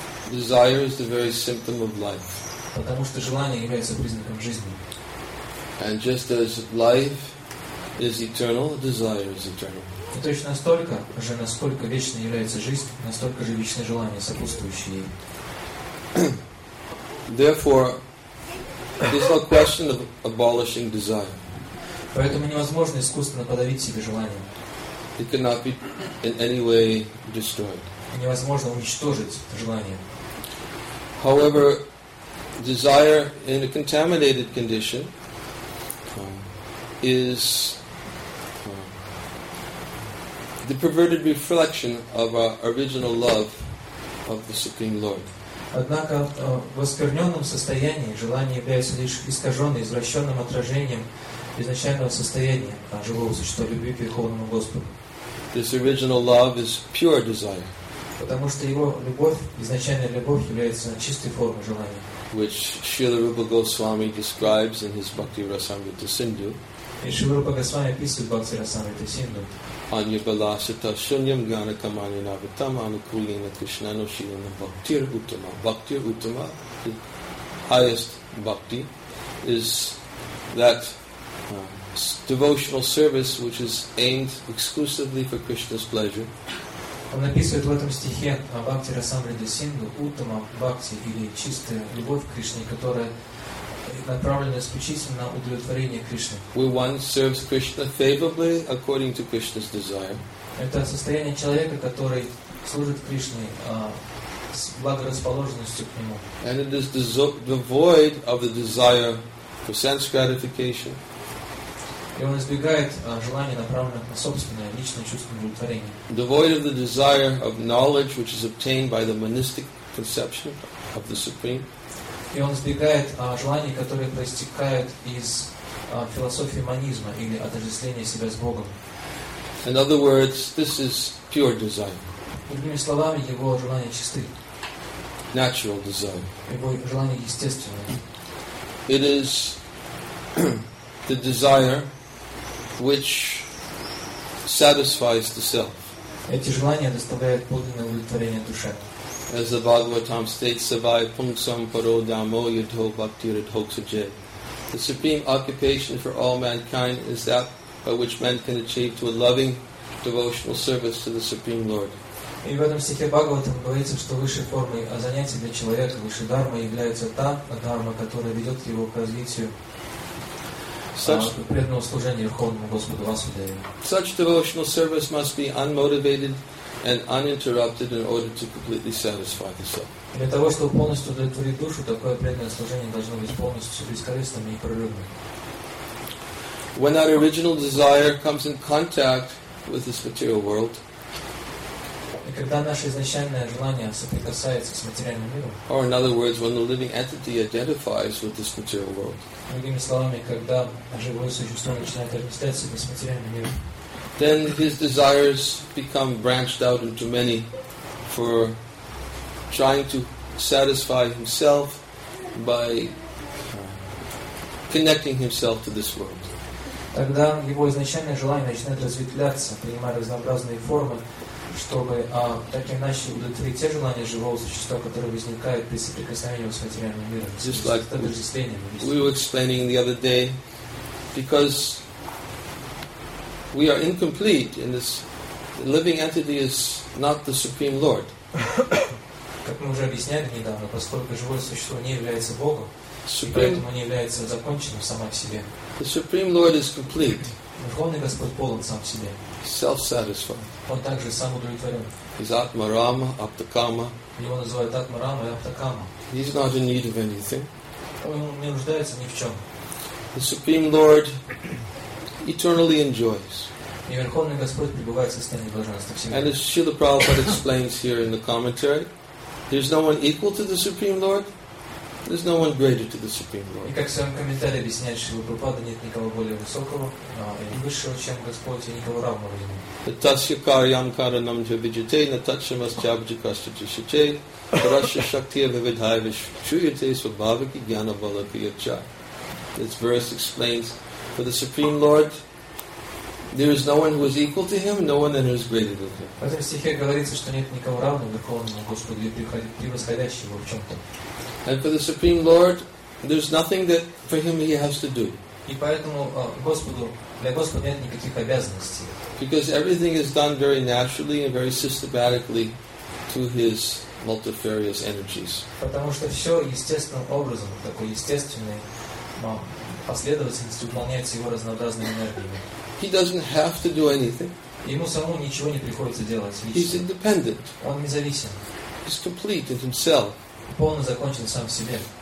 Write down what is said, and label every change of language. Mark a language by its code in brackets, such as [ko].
[en] Desire is the very symptom of life. And just as life is eternal, desire is eternal. [ru] И точно столько же, насколько вечной является жизнь, настолько же вечны желания, сопутствующие ей. [en] Therefore, there's no question of abolishing desire. [ru] Поэтому невозможно искусственно подавить себе желание. [en] It cannot be in any way destroyed. [ru] Невозможно уничтожить желание. [en] However, desire in a contaminated condition is the perverted reflection of our original love of the Supreme Lord. [ru] Однако в оскверненном состоянии желание является лишь искаженным, извращенным отражением изначального состояния живого существа любви к Верховному Господу. [en] This original love is pure desire. [ru] Потому что его любовь, изначальная любовь, является чистой формой желания. [en] Which Srila Rupa Goswami describes in his Bhakti Rasamrita Sindhu. [ru] И Шри Рупа Госвами описывает Бхакти Расамрита Синдху. [sa] Anya balasita shunyam gana kamani navatam anukulina krishna no shilana bhaktir uttama. [en] Bhaktir uttama, the highest bhakti, is that devotional service which is aimed exclusively for Krishna's pleasure. [ru] Он описывает в этом стихе о бхакти расамрита синдху, уттама бхакти, или чистая любовь к Кришне, которая направлено исключительно на удовлетворение Кришны. [en] Where one serves Krishna favorably according to Krishna's desire. [ru] Это состояние человека, который служит Кришне [en] And it is devoid of the desire for sense gratification. [ru] И он избегает желаний, направленных на собственное личное чувство удовлетворения. [en] Devoid of the desire of knowledge, which is obtained by the monistic conception of the Supreme. [ru] И он избегает желаний, которые проистекают из философии монизма или отождествления себя с Богом. [en] In other words, this is pure desire. [ru] Другими словами, его желания чисты. [en] Natural desire. [ru] Его желания естественные. [en] It is the desire which satisfies the self. [ru] Эти желания доставляют подлинное удовлетворение душе. [en] As the Bhagavatam states, [sa] Savai Pungsam Paro Dhammo Yudho Bhakti Ridhoksaje. [en] The supreme occupation for all mankind is that by which men can achieve to a loving devotional service to the Supreme Lord. [ru] И в этом стихе Бхагаватам говорится, что высшей формой занятия для человека, высшей дхармой, является та дхарма, которая ведет его к развитию преданного служения Верховному Господу Васудеве. [en] Such devotional service must be unmotivated and uninterrupted in order to completely satisfy the soul. [ru] Для того, чтобы полностью удовлетворить душу, такое преданное служение должно быть полностью бескорыстным и непрерывным. [en] When that original desire comes in contact with this material world, [ru] и когда наше изначальное желание соприкасается с материальным миром, [en] or in other words, when the living entity identifies with this material world, [ru] другими словами, когда живое существо начинает отождествлять себя с материальным миром, [en] then his desires become branched out into many for trying to satisfy himself by connecting himself to this world. [ru] Тогда его изначальное желание начинает разветвляться, принимая разнообразные формы, чтобы так или иначе удовлетворить те желания живого существа, которые возникают при соприкосновении с материальным миром. [en] Just like we were explaining the other day, because we are incomplete in this living entity is not the Supreme Lord. [ru] Как мы уже объясняли недавно, поскольку живое существо не является Богом, Supreme, и поэтому не является законченным сама в себе. [en] The Supreme Lord is complete. [ru] Верховный Господь полон сам в себе. [en] Self-satisfied. [ru] Он также сам удовлетворен. [en] He's Atma Rama, Apta Kama. [ru] Его называют Atma Rama и Apta Kama. [en] He's not in need of anything. [ru] Он не нуждается ни в чем. [en] The Supreme Lord eternally enjoys. [ru] И Верховный Господь пребывает в состоянии блаженства всегда. [en] And as Srila Prabhupada explains here in the commentary, there's no one equal to the Supreme Lord. There's no one greater to the Supreme Lord. [ru] И как в своем комментарии объясняет Шрила Прабхупада, нет никого более высокого или высшего, чем Господь, и никого равного ему. [sa] Tatasya karyam karanam cha vijate na tatsamasya abhijakasya chishate parasya shaktiya vividhaya vishuyate svabhaviki jnana valakya cha. [en] This verse explains, for the Supreme Lord, there is no one who is equal to him, no one that is greater than him. [ru] В этом стихе говорится, что нет никого равного Верховному Господу или превосходящего в чем-то. [en] And for the Supreme Lord, there's nothing that for him he has to do. [ru] И поэтому Господу, для Господа нет никаких обязанностей. [en] Because everything is done very naturally and very systematically to his multifarious energies. [ru] Потому что все естественным образом, такой естественной последовательности выполняется его разнообразными энергиями. [en] He doesn't have to do anything. [ru] Ему самому ничего не приходится делать лично. [en] He's independent. [ru] Он независим. [en] He's complete in himself. [ru] Полно закончен сам в себе.